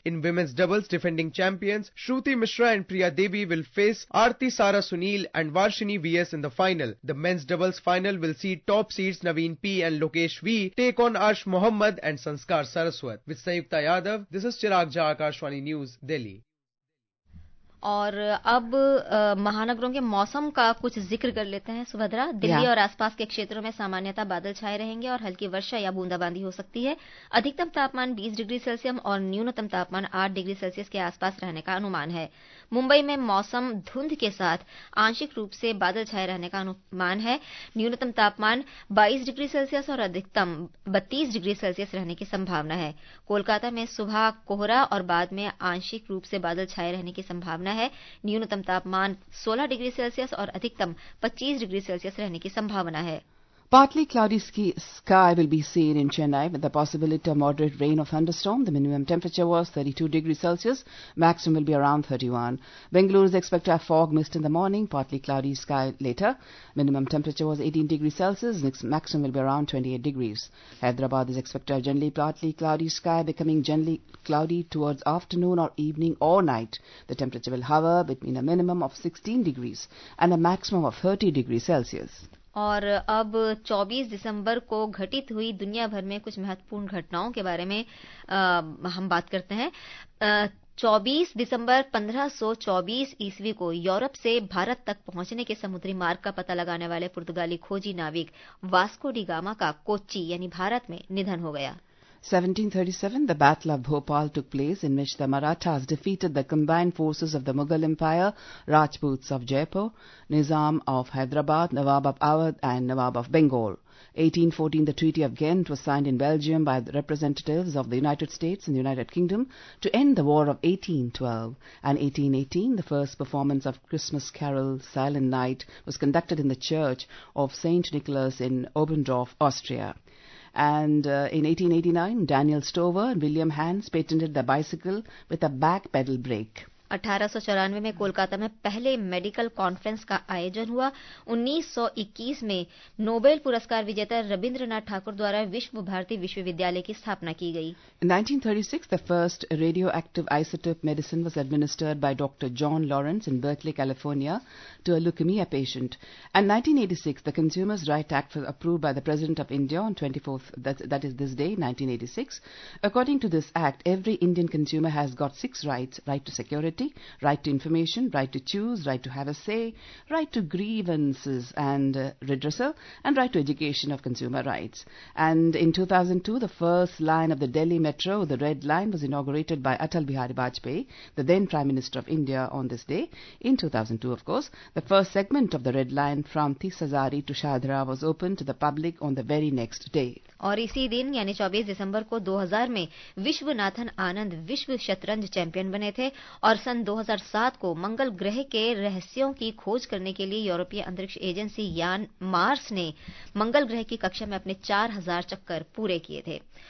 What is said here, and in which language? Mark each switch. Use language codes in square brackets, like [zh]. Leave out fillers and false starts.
[en] In women's doubles, defending champions Shruti Mishra and Priya Devi will face Aarti Sara Sunil and Varshini VS in the final. The men's doubles final will see top seeds Naveen P and Lokesh V take on Arsh Mohammed and Sanskar Saraswat. With Sayukta Yadav, this is Chirag Jha, Akashwani News, Delhi. [hi] और अब महानगरों के मौसम का कुछ जिक्र कर लेते हैं. सुभद्रा, दिल्ली और आसपास के क्षेत्रों में सामान्यतः बादल छाए रहेंगे और हल्की वर्षा या बूंदाबांदी हो सकती है. अधिकतम तापमान 20 डिग्री सेल्सियस और न्यूनतम तापमान 8 डिग्री सेल्सियस के आसपास रहने का अनुमान है. मुंबई में मौसम धुंध के साथ आंशिक रूप से बादल छाए रहने का अनुमान है. न्यूनतम तापमान 22 डिग्री सेल्सियस और अधिकतम 32 डिग्री सेल्सियस रहने की संभावना है. कोलकाता में सुबह कोहरा और बाद में आंशिक रूप से बादल छाए रहने की संभावना है. न्यूनतम तापमान 16 डिग्री सेल्सियस और अधिकतम 25 डिग्री सेल्सियस रहने की संभावना है. [en] Partly cloudy sky will be seen in Chennai with the possibility of moderate rain or thunderstorm. The minimum temperature was 32 degrees Celsius. Maximum will be around 31. Bengaluru is expected to have fog mist in the morning. Partly cloudy sky later. Minimum temperature was 18 degrees Celsius. Maximum will be around 28 degrees. Hyderabad is expected to have generally partly cloudy sky, becoming generally cloudy towards afternoon or evening or night. The temperature will hover between a minimum of 16 degrees and a maximum of 30 degrees Celsius. [hi] और अब 24 दिसंबर को घटित हुई दुनिया भर में कुछ महत्वपूर्ण घटनाओं के बारे में हम बात करते हैं. 24 दिसंबर 1524 ईस्वी को यूरोप से भारत तक पहुंचने के समुद्री मार्ग का पता लगाने वाले पुर्तगाली खोजी नाविक वास्को डी गामा का कोच्चि यानी भारत में निधन हो गया. [en] 1737, the Battle of Bhopal took place, in which the Marathas defeated the combined forces of the Mughal Empire, Rajputs of Jaipur, Nizam of Hyderabad, Nawab of Awadh and Nawab of Bengal. 1814, the Treaty of Ghent was signed in Belgium by the representatives of the United States and the United Kingdom to end the War of 1812. And 1818, the first performance of Christmas Carol, Silent Night, was conducted in the Church of St. Nicholas in Oberndorf, Austria. And in 1889, Daniel Stover and William Hans patented the bicycle with a back pedal brake. [hi] 1894 में कोलकाता में पहले medical conference का आयोजन हुआ. 1921 में Nobel पुरस्कार विजेता रविंद्रनाथ ठाकुर द्वारा विश्व भारती विश्वविद्यालय की स्थापना की गई. [en] 1936, the first radioactive isotope medicine was administered by Dr. John Lawrence in Berkeley, California, to a leukemia patient. And 1986, the Consumers' Right Act was approved by the President of India on 24th, that is this day, 1986. According to this act, every Indian consumer has got 6 rights: right to security, right to information, right to choose, right to have a say, right to grievances and redressal, and right to education of consumer rights. And in 2002, the first line of the Delhi Metro, the Red Line, was inaugurated by Atal Bihari Vajpayee, the then Prime Minister of India, on this day. In 2002, of course, the first segment of the Red Line from Tisazari to Shahdara was opened to the public on the very next day. [hi] और इसी दिन यानी 24 दिसंबर को 2000 में विश्वनाथन आनंद विश्व शतरंज champion बने थे और सन 2007 को मंगल ग्रह के रहस्यों की खोज करने के लिए यूरोपीय अंतरिक्ष एजेंसी यान मार्स ने मंगल ग्रह की कक्षा में अपने 4000 चक्कर पूरे किए थे.